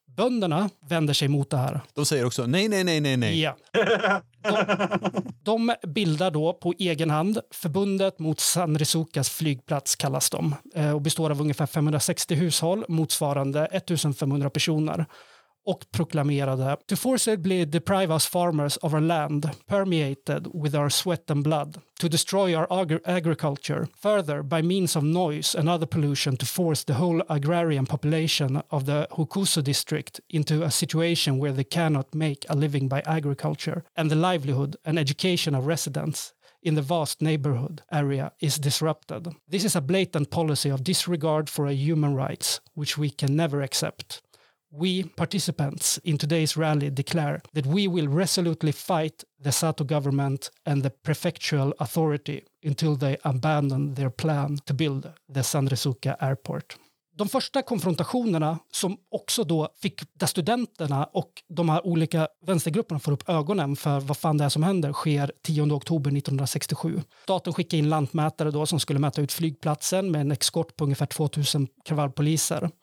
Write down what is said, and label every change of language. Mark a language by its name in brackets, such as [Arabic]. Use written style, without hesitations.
[Swedish] Bönderna vänder sig mot det här. De säger också nej. Ja. De bildar då på egen hand förbundet mot Sanri Sukas flygplats, kallas de. Och består av ungefär 560 hushåll, motsvarande 1500 personer. Och proklamerade: [English] "To forcibly deprive us farmers of our land, permeated with our sweat and blood, to destroy our agriculture, further by means of noise and other pollution to force the whole agrarian population of the Hokusu district into a situation where they cannot make a living by agriculture, and the livelihood and education of residents in the vast neighborhood area is disrupted. This is a blatant policy of disregard for our human rights, which we can never accept. We participants in today's rally declare that we will resolutely fight the Sato government and the prefectural authority until they abandon their plan to build the Sanri Suka airport." [Swedish] De första konfrontationerna som också då fick studenterna och de här olika vänstergrupperna får upp ögonen för vad fan det är som händer sker 10 oktober 1967. Staten skickar in lantmätare då som skulle mäta ut flygplatsen med en eskort på ungefär 2000 kravallpoliser.